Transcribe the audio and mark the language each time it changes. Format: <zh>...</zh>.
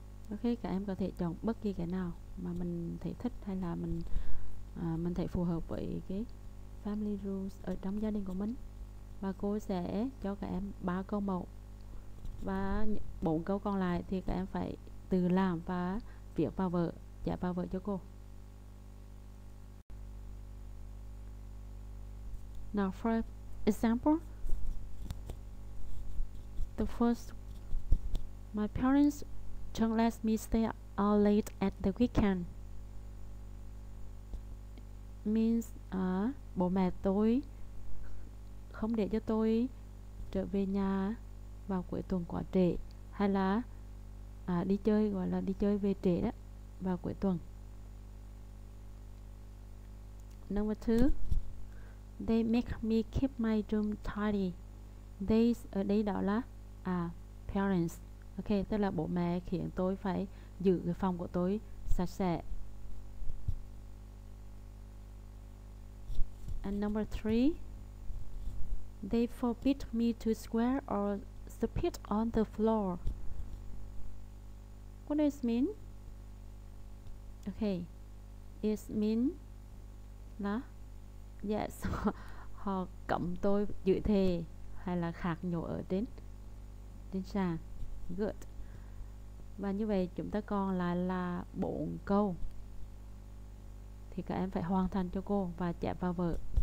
<vi>Có khi cả em có thể chọn bất kỳ cái nào mà mình thấy thích hay là mình thấy phù hợp với cái family rules ở trong gia đình của mình. Và cô sẽ cho cả em 3 câu mẫu và 4 câu còn lại thì các em phải tự làm và viết vào vở, trả vào vở cho cô.</vi> <en>Now for example, the first, my parents don't let me stay out late at the weekend.</en> <vi>Means bố mẹ tôi không để cho tôi trở về nhà vào cuối tuần quá trễ, hay là đi chơi, gọi là đi chơi về trễ đó vào cuối tuần.</vi> <en>Number two, they make me keep my room tidy.</en> <vi>They ở đây đó là parents. Ok, tức là bố mẹ khiến tôi phải giữ cái phòng của tôi sạch sẽ.</vi> <en>And number three, they forbid me to square or spit on the floor. What does this mean? Okay, it means</en> <vi>là yes, họ cấm tôi giữ thề hay là khạc nhổ ở trên trên sàn.</vi> <en>Good.</en> <vi>Và như vậy chúng ta còn lại là 4 câu thì các em phải hoàn thành cho cô và chép vào vở.</vi>